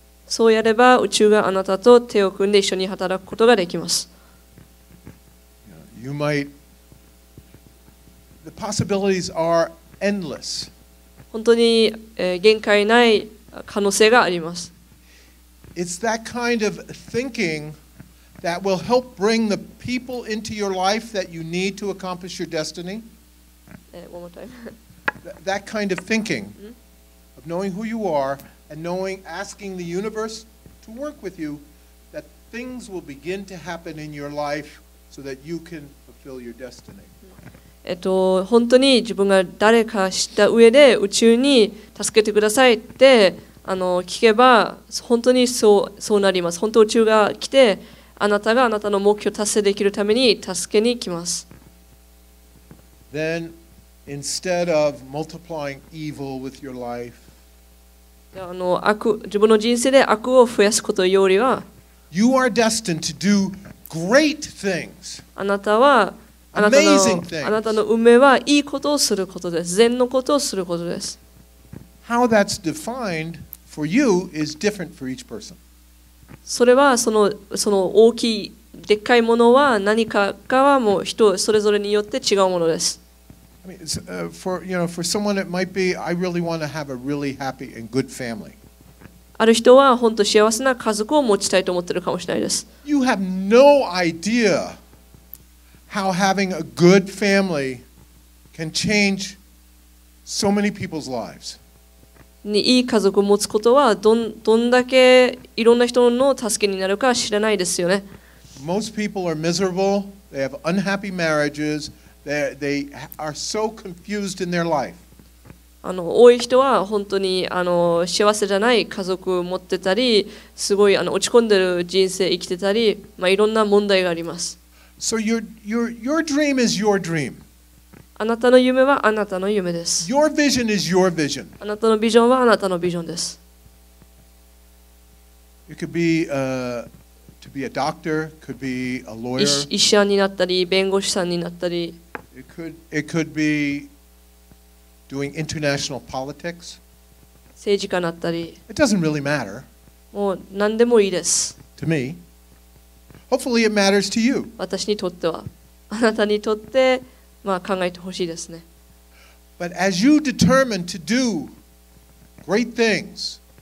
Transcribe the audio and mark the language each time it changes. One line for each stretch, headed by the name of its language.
Japanese: そうやれば宇宙があなたと手を組んで一緒に働くことができます。
English: You might the possibilities are endless.
Japanese: 本当に、限界ない可能性があります。
English: It's that kind of thinking that will help bring the people into your life that you need to accomplish your destiny. One more time. That kind of thinking of knowing who you are and knowing asking the universe to work with you, that things will begin to happen in your life so that you can fulfill your destiny.
Japanese: 本当に自分が誰か知った上で宇宙に助けてくださいって聞けば本当にそうなります。本当宇宙が来てあなたがあなたの目標を達成できるために助けに来ます。
English: Then, instead of multiplying evil with your life,
Japanese: 自分の人生で悪を増やすことよりは、
English: You are destined to do great things.
Japanese: あなたはあなたの運命はいいことをすることです。善のことをすることです。
English: How that's defined for you is different for each person.
Japanese: それはその大きいでっかいものは何かかはもう人それぞれによって違うものです。
English: I mean, for someone it might be I really want to have a really happy and good family.
Japanese: ある人は本当幸せな家族を持ちたいと思ってるかもしれないです。
English: You have no idea. How having a good family can change so many people's lives.
Japanese: いい家族を持つことはどんだけいろんな人の助けになるか知らないですよね。
English: Most people are miserable. They have unhappy marriages. They are so confused in their life.
Japanese: 多い人は本当に幸せじゃない家族を持ってたり、すごい落ち込んでる人生生きてたり、まあいろんな問題があります。
English: So your dream is your dream.
Japanese: あなたの夢はあなたの夢です。
English: Your vision is your vision.
Japanese: あなたのビジョンはあなたのビジョンです。
English: It could be to be a doctor, could be a lawyer.
Japanese: 医者になったり弁護士さんになったり。
English: It could be doing international politics.
Japanese: 政治家になったり。
English: It doesn't really matter.
Japanese: もう何でもいいです。
English: To me. Hopefully it matters to you.
Japanese: 私にとっては、あなたにとって、まあ考えてほしいですね。
English: But as you determine to do great things,